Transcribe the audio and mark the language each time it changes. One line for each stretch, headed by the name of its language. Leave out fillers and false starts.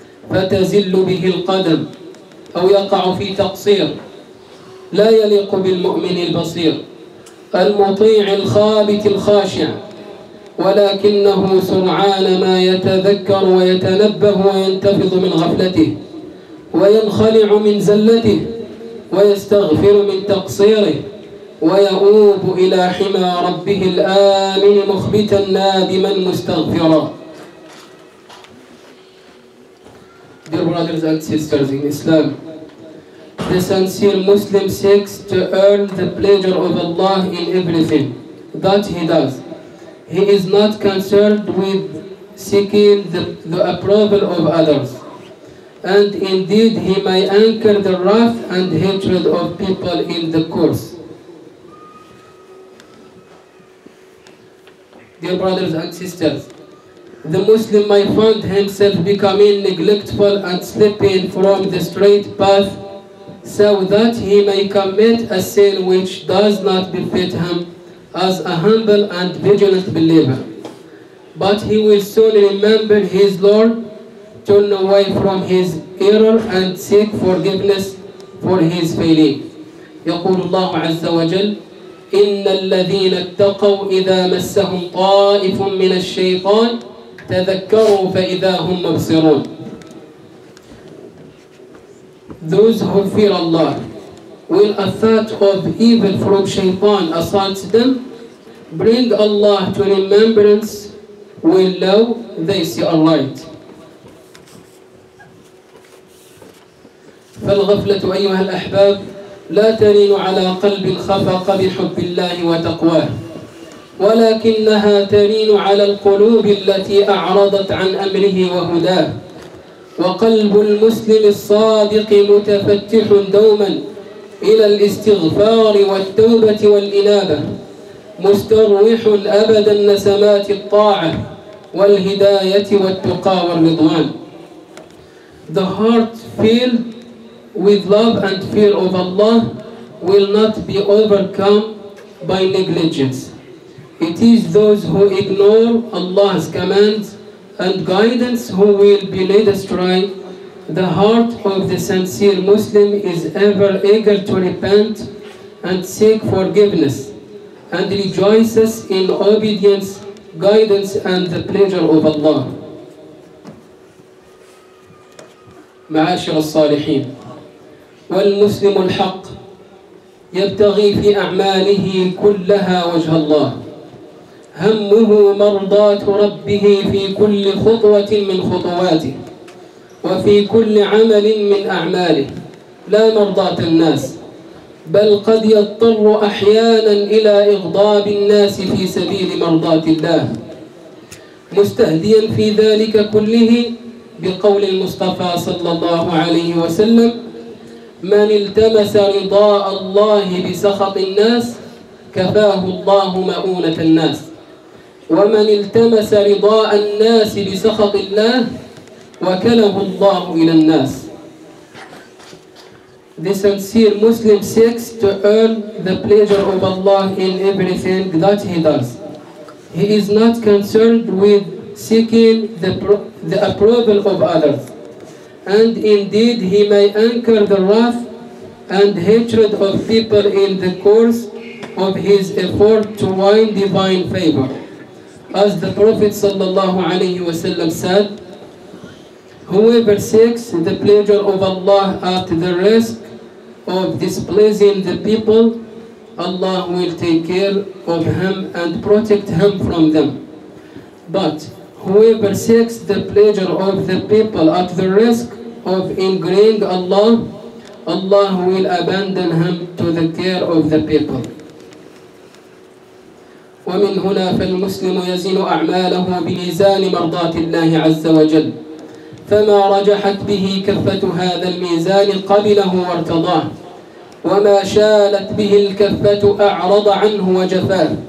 Arabic: فتزل به القدم أو يقع في تقصير لا يليق بالمؤمن البصير المطيع الخابت الخاشع، ولكنه سرعان ما يتذكر ويتنبه وينتفض من غفلته وينخلع من زلته ويستغفر من تقصيره ويؤوب إلى حمى ربه الآمن مخبتا نادما مستغفرا.
English: Dear brothers and sisters in Islam, the sincere Muslim seeks to earn the pleasure of Allah in everything that he does. He is not concerned with seeking the approval of others. And indeed, he may anchor the wrath and hatred of people in the course. Dear brothers and sisters, the Muslim may find himself becoming neglectful and slipping from the straight path so that he may commit a sin which does not befit him as a humble and vigilant believer. But he will soon remember his Lord, turn away from his error and seek forgiveness for his failing.
Arabic: يقول الله عز وجل: إن الذين اتقوا إذا مسهم طائف من الشيطان تذكروا فإذا هم مبصرون.
English: Those who fear Allah, when a thought of evil from Shaytan assaults them, bring Allah to remembrance when low they see a light.
Arabic: فالغفلة أيها الأحباب لا ترين على قلب خفق بحب الله وتقواه، ولكنها ترين على القلوب التي أعرضت عن أمره وهداه. وقلب المسلم الصادق متفتح دوما إلى الاستغفار والتوبة والإنابة، مستروح أبدا نسمات الطاعة والهداية والتقى والرضوان.
English: The heart filled with love and fear of Allah will not be overcome by negligence. It is those who ignore Allah's commands and guidance who will be led astray. The heart of the sincere Muslim is ever eager to repent and seek forgiveness and rejoices in obedience, guidance and the pleasure of Allah.
Arabic: معاشر الصالحين، والمسلم الحق يبتغي في أعماله كلها وجه الله، همه مرضاة ربه في كل خطوة من خطواته وفي كل عمل من أعماله، لا مرضاة الناس، بل قد يضطر أحيانا إلى إغضاب الناس في سبيل مرضاة الله، مستهديا في ذلك كله بقول المصطفى صلى الله عليه وسلم: من التمس رضاء الله بسخط الناس كفاه الله مؤونة الناس، ومن التمس رضاء الناس بسخط الله وكله الله إلى الناس.
English: The sincere Muslim seeks to earn the pleasure of Allah in everything that he does. He is not concerned with seeking the approval of others. And indeed, he may anchor the wrath and hatred of people in the course of his effort to win divine favor. As the Prophet sallallahu alayhi wa sallam said, whoever seeks the pleasure of Allah at the risk of displeasing the people, Allah will take care of him and protect him from them. But whoever seeks the pleasure of the people at the risk of ingraining Allah, Allah will abandon him to the care of the people.
Arabic: ومن هنا فالمسلم يزن أعماله بميزان مرضاة الله عز وجل، فما رجحت به كفة هذا الميزان قبله وارتضاه، وما شالت به الكفة أعرض عنه وجفاه.